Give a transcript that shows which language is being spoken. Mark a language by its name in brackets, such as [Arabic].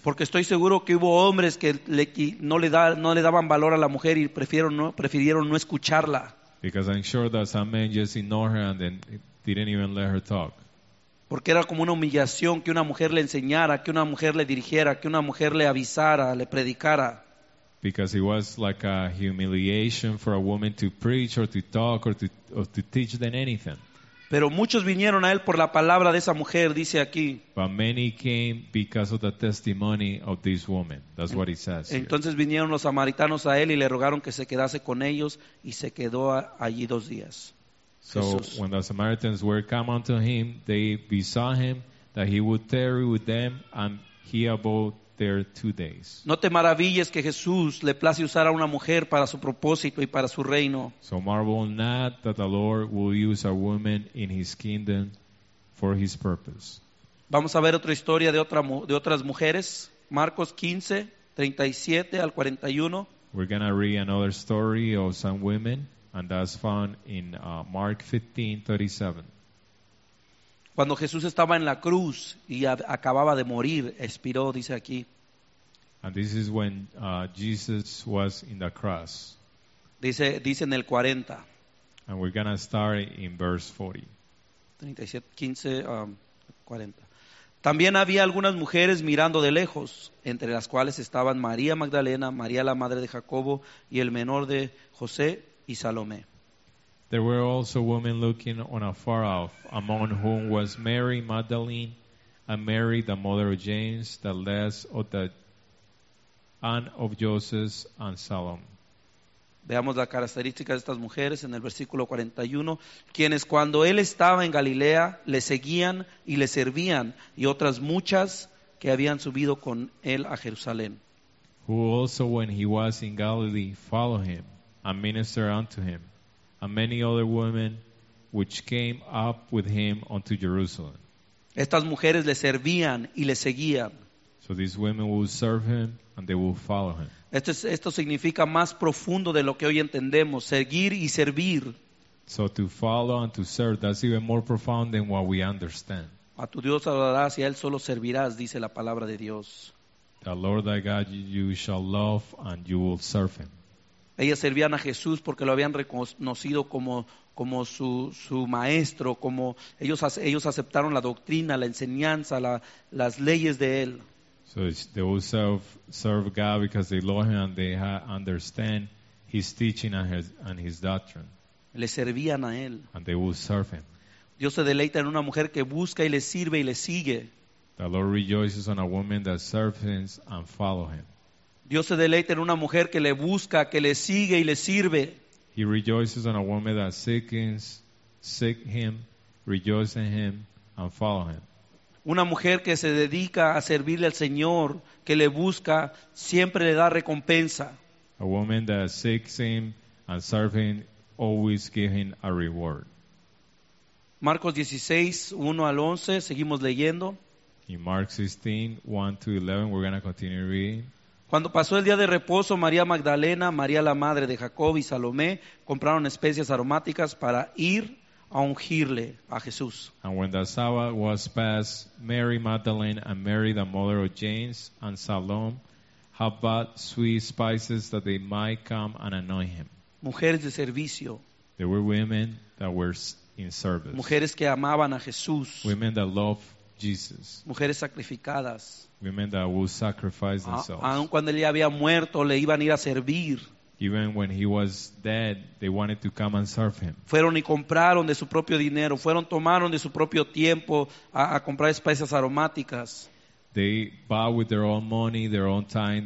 [Spanish] Porque estoy seguro que hubo hombres que no le daban valor a la mujer y prefirieron no escucharla. [English] Because I'm sure that some men just ignored her and then didn't even let her talk. [Spanish] Porque era como una humillación que una mujer le enseñara, que una mujer le dirigiera, que una mujer le avisara, le predicara. [English] Because it was like a humiliation for a woman to preach or to talk or to teach them anything. [Spanish] Pero muchos vinieron a él por la palabra de esa mujer, dice aquí. [English] But many came because of the testimony of this woman. That's what it says. [Spanish] Entonces vinieron los samaritanos a él y le rogaron que se quedase con ellos y se quedó allí dos días. [English] So when the Samaritans were come unto him, they besought him that he would tarry with them, and he abode there 2 days. [Spanish] No te maravilles que Jesús le place usar a una mujer para su propósito y para su reino. [English] So marvel not that the Lord will use a woman in his kingdom for his purpose. [Spanish] Vamos a ver otra historia de otras mujeres. Marcos 15:37-41. [English] We're going to read another story of some women, and that's found in Mark 15:37. [Spanish] Cuando Jesús estaba en la cruz y acababa de morir, expiró, dice aquí. [English] And this is when Jesus was in the cross. [Spanish] Dice en el 40. [English] And we're going to start in verse 40. 15:40. [Spanish] También había algunas mujeres mirando de lejos, entre las cuales estaban María Magdalena, María la madre de Jacobo y el menor de José y Salomé. [English] There were also women looking on afar off, among whom was Mary Magdalene, and Mary the mother of James, the less of the and of Joseph and Salome. [Spanish] Veamos las características de estas mujeres en el versículo 41, quienes cuando él estaba en Galilea le seguían y le servían, y otras muchas que habían subido con él a Jerusalén. [English] Who also when he was in Galilee followed him and ministered unto him. And many other women which came up with him unto Jerusalem. [Spanish] Estas mujeres le servían y le seguían. [English] So these women will serve him and they will follow him. [Spanish] Esto significa más profundo de lo que hoy entendemos, seguir y servir. [English] So to follow and to serve, that's even more profound than what we understand. [Spanish] A tu Dios adorarás y a él solo servirás, dice la palabra de Dios. [English] The Lord thy God you shall love and you will serve him. [Spanish] Ellas servían a Jesús porque lo habían reconocido como su maestro, como ellos aceptaron la doctrina, la enseñanza, las leyes de él. [English] So they will serve God because they love him and they understand his teaching and his doctrine. [Spanish] Le servían a él. [English] And they will serve him. [Spanish] Dios se deleita en una mujer que busca y le sirve y le sigue. [English] The Lord rejoices on a woman that serves and follows him. [Spanish] Dios se deleita en una mujer que le busca, que le sigue y le sirve. [English] He rejoices on a woman that seeks him, rejoices in him, and follows him. [Spanish] Una mujer que se dedica a servirle al Señor, que le busca, siempre le da recompensa. [English] A woman that seeks him and serves him, always gives him a reward. [Spanish] Marcos 16:1-11, seguimos leyendo. [English] In Mark 16:1-11, we're going to continue reading. [Spanish] Cuando pasó el día de reposo, María Magdalena, María la madre de Jacob y Salomé compraron especias aromáticas para ir a ungirle a Jesús. [English] And when the Sabbath was past, Mary Magdalene and Mary the mother of James and Salome had bought sweet spices that they might come and anoint him. [Spanish] Mujeres de servicio. [English] There were women that were in service. [Spanish] Mujeres que amaban a Jesús. [English] Women that loved Jesus. [Spanish] Mujeres sacrificadas. [English] Women that will sacrifice themselves. [Spanish] Aun cuando él ya había muerto, le iban a ir a servir. [English] Even when he was dead, they wanted to come and serve him. [Spanish] Fueron y compraron de su propio dinero. Fueron, tomaron de su propio tiempo a comprar especias aromáticas. [English] They bought with their own money, their own time.